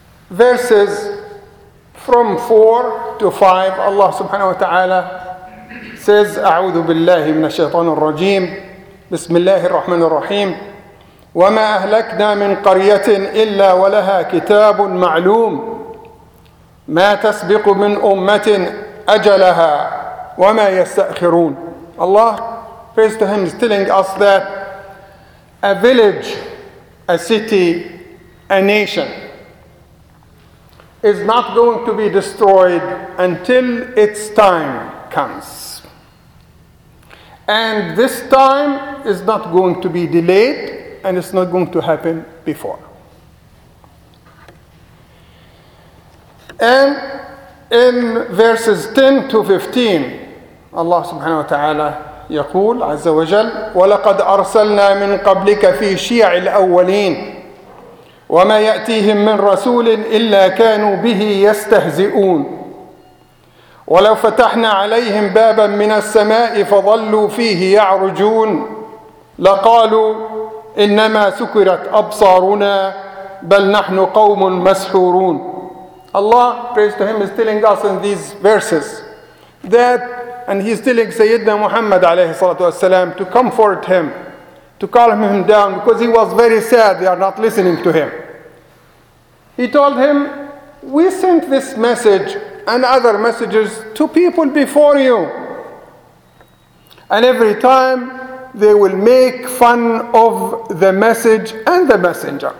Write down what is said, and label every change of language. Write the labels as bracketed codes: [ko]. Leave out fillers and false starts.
[en] Verses from 4 to 5, Allah subhanahu wa ta'ala says, [ar] أعوذ بالله من الشيطان الرجيم بسم الله الرحمن الرحيم وما أهلكنا من قرية إلا ولها كتاب معلوم ما تسبق من أمة أجلها وما يستأخرون. [en] Allah, praise to Him, is telling us that a village, a city, a nation is not going to be destroyed until its time comes. And this time is not going to be delayed, and it's not going to happen before. And in verses 10 to 15, Allah subhanahu wa ta'ala [ar] يقول عز وجل وَلَقَدْ أَرْسَلْنَا مِنْ قَبْلِكَ فِي شِيَعِ الْأَوَّلِينَ وما يأتيهم من رسول إلا كانوا به يستهزئون. ولو فتحنا عليهم بابا من السماء فظلوا فيه يعرجون لقالوا إنما سكرت أبصارنا بل نحن قوم مسحورون. [en] Allah, praise to him, is telling us in these verses that, and he's telling Sayyidina Muhammad alayhi salatu wasalam to comfort him, to calm him down, because he was very sad they are not listening to him. He told him, we sent this message and other messages to people before you, and every time they will make fun of the message and the messenger.